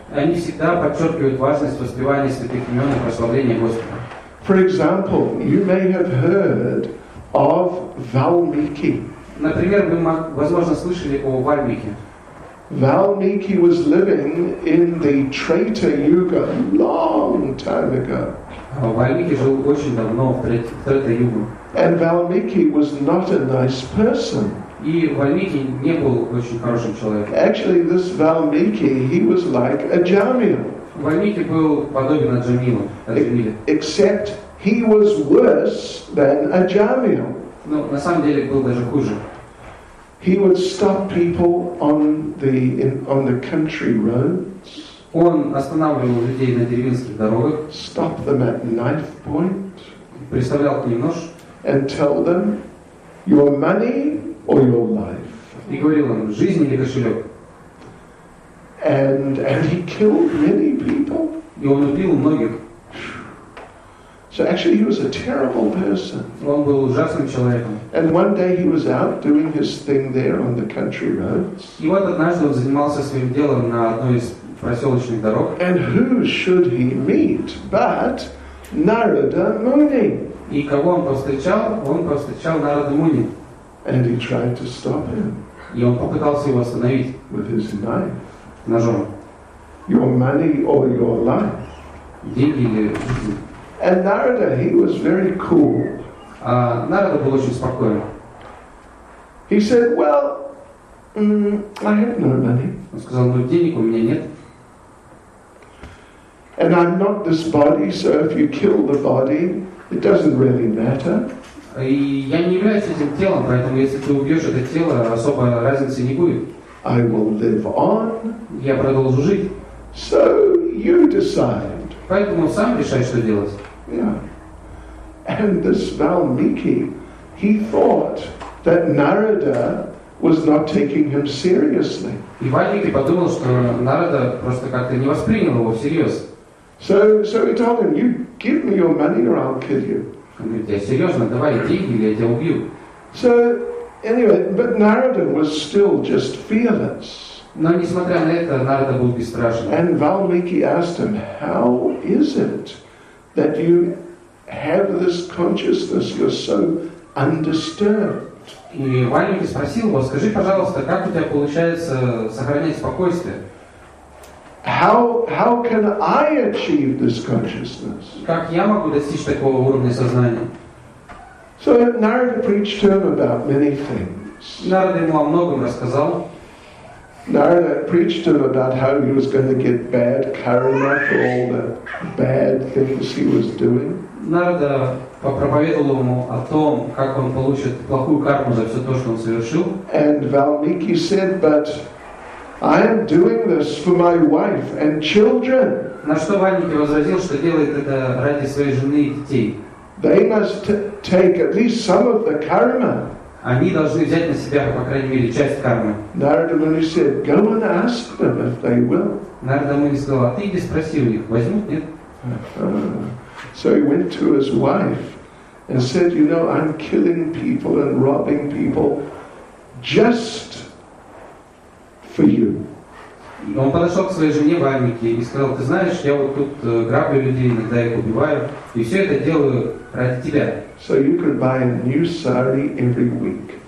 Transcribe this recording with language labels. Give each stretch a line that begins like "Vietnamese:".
Russian: Они всегда подчеркивают важность воспевания святых имен и прославления Господа.
English: For example, you may have heard of Valmiki.
Russian: Например, вы, возможно, слышали о Вальмике.
English: Valmiki was living in the Treta Yuga long time ago.
Russian: Valmiki жил очень давно в Трета Юге.
English: And Valmiki was not a nice person.
Russian: И Вальмики не был очень хорошим человеком.
English: Actually, this Valmiki, he was like a Jamil.
Russian: Вальмики был подобен Аджамилу.
English: Except he was worse than Ajamil.
Russian: Но на самом деле был даже хуже.
English: He would stop people on the country roads.
Russian: Он останавливал людей на деревенских дорогах.
English: Stop them at knife point.
Russian: Приставлял к ним нож.
English: And tell them your money or your life.
Russian: И говорил им жизнь или кошелек.
English: And he killed many people.
Russian: И он убил многих.
English: So actually he was a terrible person.
Russian: Он был ужасным человеком.
English: And one day he was out doing his thing there on the country roads.
Russian: И вот однажды он занимался своим делом на одной из проселочных дорог.
English: And who should he meet but Narada Muni?
Russian: И кого он повстречал? Он повстречал Нарада Муни.
English: And he tried to stop him.
Russian: И он попытался его остановить.
English: With his knife.
Russian: Ножом.
English: Your money or your life.
Russian: Деньги или жизнь.
English: And Narada, he was very cool.
Russian: Narada был очень спокойным.
English: He said, "Well, I have no money."
Russian: Он сказал: "Ну, денег у меня нет."
English: And I'm not this body, so if you kill the body, it doesn't really matter.
Russian: И я не являюсь этим телом, поэтому если ты убьешь это тело, особой разницы не будет.
English: I will live on.
Russian: Я продолжу жить.
English: So you decide.
Russian: Поэтому сам решай, что делать.
English: Yeah. And this Valmiki, he thought that Narada was not taking him seriously.
Russian: И Вальмики подумал, что Нарада просто как-то не воспринял его всерьез.
English: So he told him, "You give me your money or I'll kill you."
Russian: Он говорит: "Я серьезно, давай деньги, или я тебя убью."
English: So anyway, but Narada was still just fearless.
Russian: Но несмотря на это, Нарада был бесстрашен.
English: And Valmiki asked him, "How is it that you have this consciousness? You're so undisturbed."
Russian: И Вальмики спросил его: "Скажи, пожалуйста, как у тебя получается сохранять спокойствие?"
English: How can I achieve this consciousness?
Russian: Как я могу достичь такого уровня сознания?
English: So Narada preached to him about many things.
Russian: Нарада ему о многом рассказал.
English: Narada preached to him about how he was going to get bad karma for all the bad things he was doing.
Russian: Нарада проповедовал ему о том, как он получит плохую карму за все то, что он совершил.
English: And Valmiki said, "But I am doing this for my wife and children.
Russian: На что Ваньке возразил, что делает это ради своей жены и детей.
English: They must take at least some of the karma.
Russian: Они должны взять на себя, по крайней мере, часть кармы.
English: Narada Muni said, go and ask them if they will.
Russian: Narada Muni сказал, а ты иди спроси у них, возьмут, нет?
English: So he went to his wife and said, you know, I'm killing people and robbing people just for you.
Russian: Он подошел к своей жене Ваньке и сказал, ты знаешь, я вот тут граблю людей, иногда их убиваю, и все это делаю ради тебя.
English: So you could buy a new sari every week.